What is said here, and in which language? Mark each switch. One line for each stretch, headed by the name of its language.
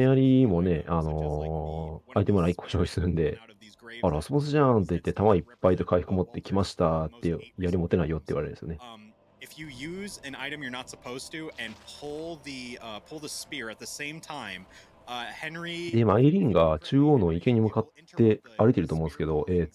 Japanese: 槍もね、アイテムが1個消費するんで、あ、ラスボスじゃんって言って、弾いっぱいと回復持ってきましたって、槍持てないよって言われるんですよね。
English: If you use an item you're not supposed to and pull the spear at the same time, Henry.
Japanese: で、マイリンが中央の池に向かって歩いてると思うんですけど、